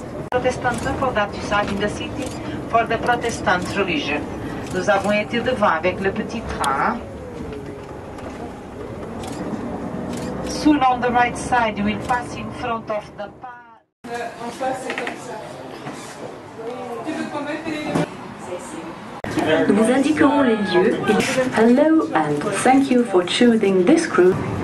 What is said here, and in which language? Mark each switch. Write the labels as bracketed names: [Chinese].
[English] Protestant people that reside in the city for the Protestant religion. [French] Nous avons été devant avec le petit train. [English] Soon on the right side, you will pass in front of the park. [French] Nous indiquerons les lieux. [English] Hello and thank you for choosing this cruise.